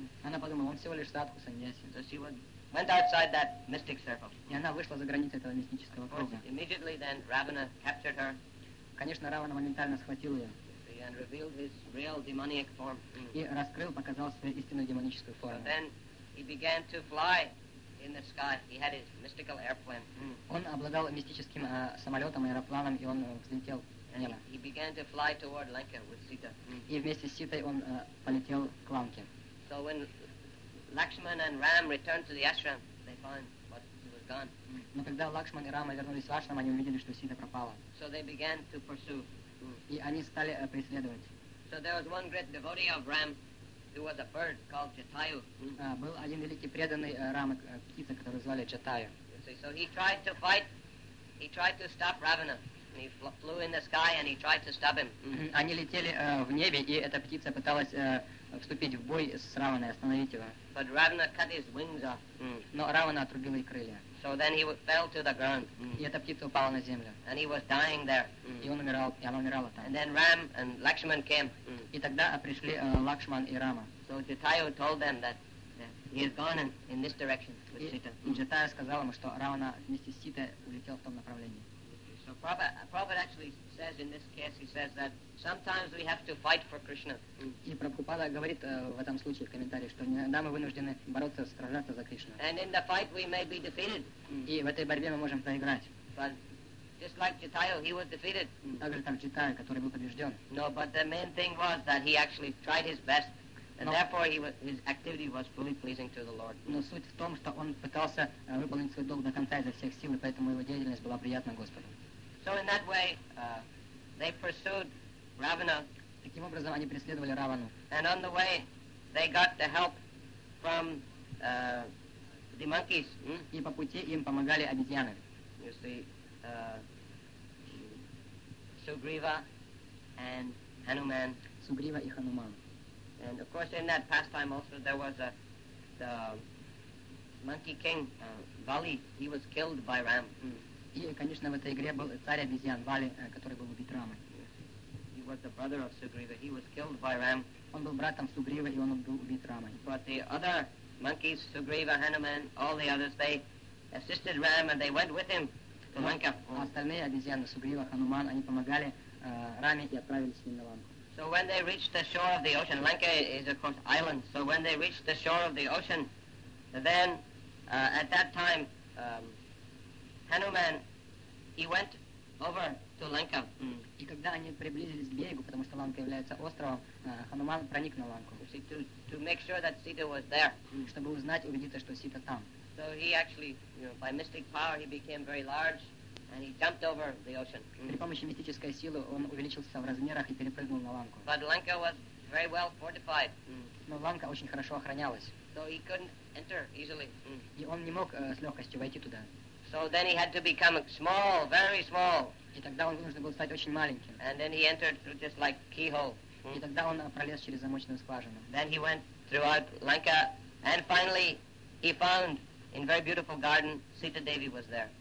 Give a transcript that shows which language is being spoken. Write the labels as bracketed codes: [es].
[ru] Она подумала, он всего лишь садху сандьяси. [en] So she went outside that mystic circle. [ru] И она вышла за границы этого мистического круга. [en] Immediately then Ravana captured her. [ru] Конечно, Равана моментально схватил ее. [en] And revealed his real demoniac form. [ru] И раскрыл, показал свою истинную демоническую форму. [en] Then he began to fly. In the sky, he had his mystical airplane. [ru] Он обладал мистическим самолетом, аэропланом, и он взлетел. [en] He began to fly toward Lanka with Sita. [ru] И вместе с Ситой он полетел к Ланке. [en] So when Lakshman and Ram returned to the ashram, they found what was gone. [ru] Но когда Лакшман и Рама вернулись в ашрам, они увидели, что Сита пропала. [en] So they began to pursue. [ru] И они стали преследовать. [en] So there was one great devotee of Ram. There was a bird called Jatayu. [ru] Был один великий преданный Рамы, птица, которую звали Джатаю. [en] So he tried to fight, he tried to stop Ravana. And he flew in the sky and he tried to stop him. [ru] Они летели в небе, и эта птица пыталась вступить в бой с Раваной, остановить его. [en] But Ravana cut his wings off. [ru] Но Равана отрубил ей крылья. [en] So then he fell to the ground. [ru] И эта птица упала на землю. [en] And he was dying there. [ru] И он умирал, и она умирала там. [en] And then Ram and Lakshman came. [ru] И тогда пришли Лакшман и Рама. [en] So Jatayu told them that he has gone in this direction with Sita. [ru] И Джатая сказал ему, что Равана вместе с Ситой улетел в том направлении. [en] So Prabhupada actually says in this case, he says that sometimes we have to fight for Krishna. [ru] И Прабхупада говорит в этом случае в комментарии, что иногда мы вынуждены бороться, сражаться за Кришну. [en] And in the fight we may be defeated. [ru] И в этой борьбе мы можем проиграть. [en] But just like Jatayu, he was defeated. [ru] Так же, как Джатая, который был побежден. [en] No, but the main thing was that he actually tried his best. And therefore his activity was fully pleasing to the Lord. [ru] Но суть в том, что он пытался выполнить свой долг до конца изо всех сил, и поэтому его деятельность была приятна Господу. [en] So in that way, they pursued Ravana. [ru] Таким образом, они преследовали Равану. [en] And on the way, they got the help from the monkeys. [ru] И по пути им помогали обезьяны. [en] You see, Sugriva and Hanuman. [ru] Сугрива и Хануман. [en] And of course, in that pastime also there was the monkey king Vali. He was killed by Ram. [ru] И, конечно, в этой игре был царь обезьян Вали, который был убит Рамой. [en] He was the brother of Sugriva. He was killed by Ram. [ru] Он был братом Сугрива, и он был убит Рамой. [en] But the other monkeys, Sugriva, Hanuman, all the others, they assisted Ram and they went with him to Lanka. [ru] Остальные обезьяны, Сугрива, Хануман, они помогали Раме и отправились с ним на Ланку. [en] So when they reached the shore of the ocean, Lanka is of course island. So when they reached the shore of the ocean, then at that time Hanuman he went over to Lanka. [ru] И когда они приблизились к берегу, потому что Ланка является островом, Хануман проник на Ланку. [en] To make sure that Sita was there. [ru] Чтобы узнать, убедиться, что Сита там. [en] So he actually, by mystic power, he became very large. And he jumped over the ocean. [ru] При помощи мистической силы он увеличился в размерах и перепрыгнул на Ланку. [en] But Lanka was very well fortified. [ru] Но Ланка очень хорошо охранялась. [en] So he couldn't enter easily. [ru] И он не мог с легкостью войти туда. [en] So then he had to become small, very small. [ru] И тогда он вынужден был стать очень маленьким. [en] And then he entered through just like keyhole. [ru] И тогда он пролез через замочную скважину. [en] Then he went throughout Lanka, and finally he found In very beautiful garden, Sita Devi was there.